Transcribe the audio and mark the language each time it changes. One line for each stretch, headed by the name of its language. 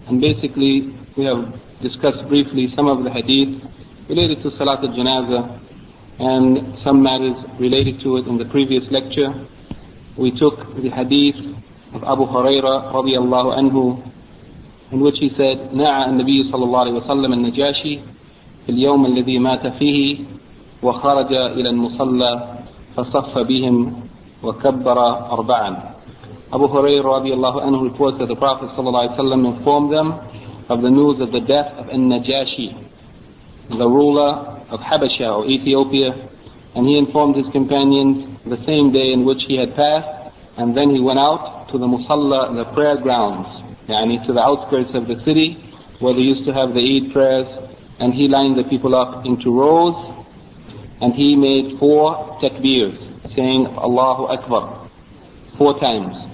English: And basically, we have discussed briefly some of the hadith related to Salat al-Janaza and some matters related to it in the previous lecture. We took the hadith of Abu Huraira radiallahu anhu, in which he said,
Arabic: نَعَى النَّبِيُّ صَلَى اللَّهِ وَسَلَّمَ النَّجَاشِي فِي الْيَوْمَ الَّذِي مَاتَ فِيهِ وَخَرَجَ إِلَى الْمُصَلَّى فَصَفَّ بِهِمْ وَكَبَّرَ أَرْبَعًا.
English: Abu Hurairah radiallahu anhu reports that the Prophet sallallahu alayhi wa sallam informed them of the news of the death of An-Najashi, the ruler of Habasha or Ethiopia, and he informed his companions the same day in which he had passed, and then he went out to the Musalla, the prayer grounds, yani to the outskirts of the city where they used to have the Eid prayers, and he lined the people up into rows, and he made four takbirs, saying Allahu Akbar four times.